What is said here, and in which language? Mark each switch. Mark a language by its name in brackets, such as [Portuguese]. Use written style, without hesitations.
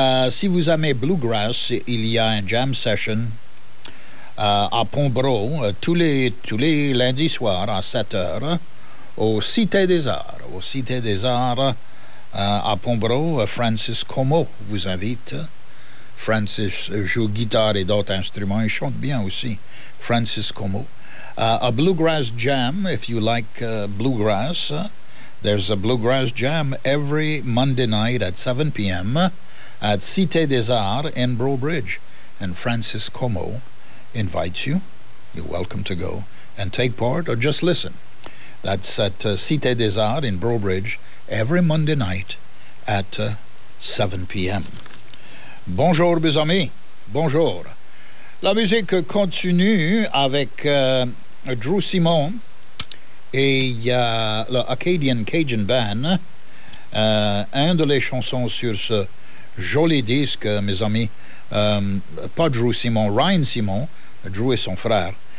[French] Si vous aimez Bluegrass, il y a un jam session à Pombro tous les lundis soirs à 7h au Cité des Arts. Au Cité des Arts à Pombro, Francis Como vous invite. Francis joue guitare et d'autres instruments. Il chante bien aussi, Francis Como. [English] A Bluegrass Jam, if you like Bluegrass, there's a Bluegrass Jam every Monday night at 7 p.m. at Cité des Arts in Brobridge. And Francis Como invites you. You're welcome to go and take part or just listen. That's at Cité des Arts in Broadbridge every Monday night at 7 p.m. [French] Bonjour, mes amis. Bonjour. La musique continue avec Drew Simon et l'Acadian Cajun Band. Un de les chansons sur ce joli disque, mes amis, pas Drew Simon, Ryan Simon, Drew et son frère.